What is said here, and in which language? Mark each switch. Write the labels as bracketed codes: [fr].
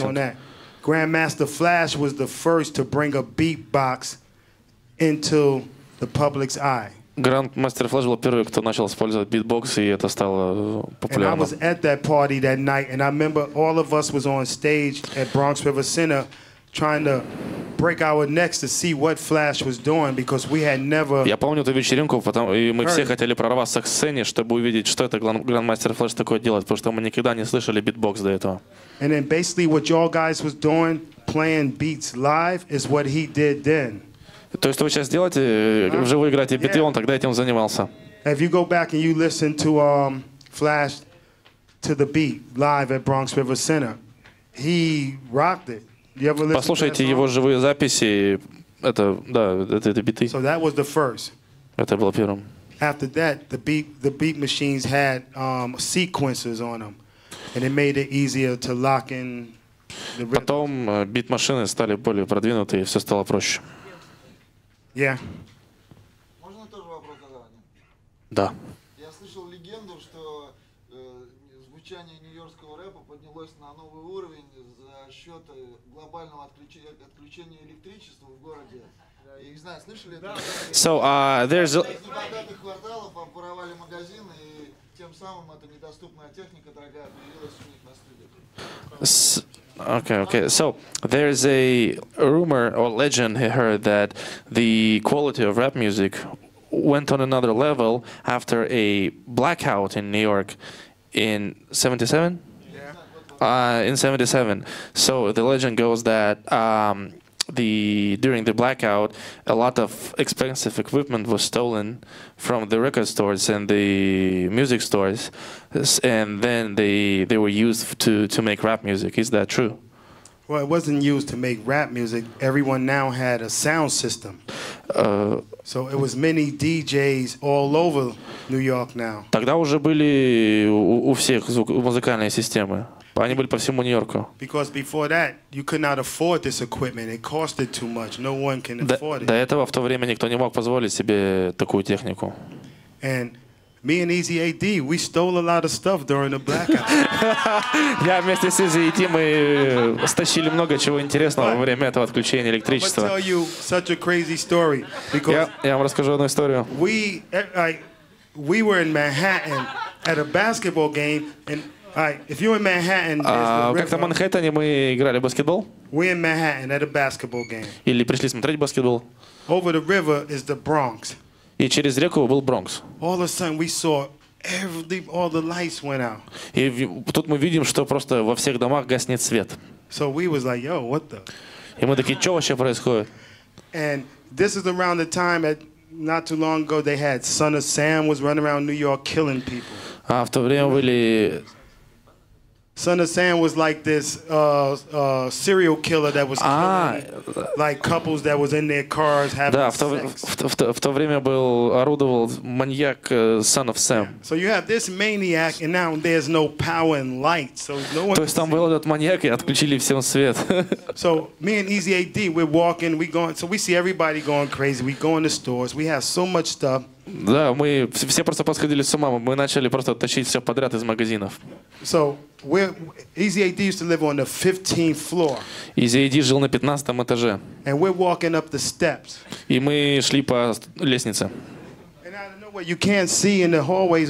[en] Next on that, Grandmaster Flash was the first to bring a beatbox into the public's eye. [ru] Grandmaster Flash был первый, кто начал использовать beatbox, и это стало популярным. [en] And I was at that party that night, and I remember all of us was on stage at Bronx River Center trying to break our necks to see what Flash was doing because we had never. [ru] Я помню ту вечеринку, потом и мы все хотели прорваться к сцене, чтобы увидеть, что это Grandmaster Flash такое делает, потому что мы никогда не слышали битбокс до этого. [en] And then basically what y'all guys was doing, playing beats live, is what he did then. [ru] То есть вы сейчас делаете, вживую играете биты, он тогда этим занимался. [en] If you go back and you listen to Flash to the beat live at Bronx River Center, he rocked it. You ever listen [ru] Послушайте [en] to that song? [ru] Его живые записи, это да, это биты. [en] So that was the first. [ru] Это было первым. [en] After that, the beat machines had sequences on them, and it made it easier to lock in. The [ru] Потом бит-машины стали более продвинутые, и все стало проще. [en] Yeah. [ru] Можно тоже вопрос задать? Да. Я слышал легенду, что звучание нью-йоркского рэпа поднялось на новый уровень за счет глобального отключения электричества в городе. Я не знаю, слышали это? [en] So, there's [ru] богатых кварталов обворовали магазины, и тем самым эта недоступная техника дорогая появилась у них на студии. [en] Okay. So there is a rumor or legend he heard that the quality of rap music went on another level after a blackout in New York in 77? Yeah. In 77. So the legend goes that during the blackout, a lot of expensive equipment was stolen from the record stores and the music stores, and then they were used to make rap music. Is that true? Well, it wasn't used to make rap music. Everyone now had a sound system. So it was many DJs all over New York now. [ru] Тогда уже были у всех музыкальные системы. Они были по всему Нью-Йорку. [en] Because before that, you could not afford this equipment. It costed too much. No one can afford it. [ru] До этого в то время никто не мог позволить себе такую технику. [en] And me and Easy AD, we stole a lot of stuff during the blackout. [ru] Я вместе с Easy AD мы стащили много чего интересного во время этого отключения электричества. [en] I'll tell you such a crazy story. [ru] Я вам расскажу одну историю. [en] We were in Manhattan at a basketball game and. Alright, if you're in Manhattan, [ru] как-то в Манхэттене мы играли в баскетбол. [en] We in Manhattan at a basketball game. [ru] Или пришли смотреть баскетбол. [en] Over the river is the Bronx. [ru] И через реку был Бронкс. [en] All of a sudden we saw all the lights went out. [ru] И тут мы видим, что просто во всех домах гаснет свет. [en] So we was like, yo, what the? [ru] И мы такие, что вообще происходит? [en] And this is around the time that not too long ago they had Son of Sam was running around New York killing people. [ru] А в то время были. [en] Son of Sam was like this serial killer that was killing like couples that was in their cars having sex. [ru] Да, в то время был орудовал маньяк Son of Sam. [en] So you have this maniac and now there's no power and light, so no one. [ru] То есть там был этот маньяк и отключили всем свет. [en] So me and Easy AD, we're walking, we going, so we see everybody going crazy. We go in the stores, we have so much stuff. [ru] Да, мы все просто посходили с ума. Мы начали просто тащить все подряд из магазинов. [en] So, Easy AD used to live on the 15th floor. [ru] Easy AD жил на 15 этаже. [en] And we're walking up the steps. [ru] И мы шли по лестнице. [en] And out of nowhere, you can't see in the hallways.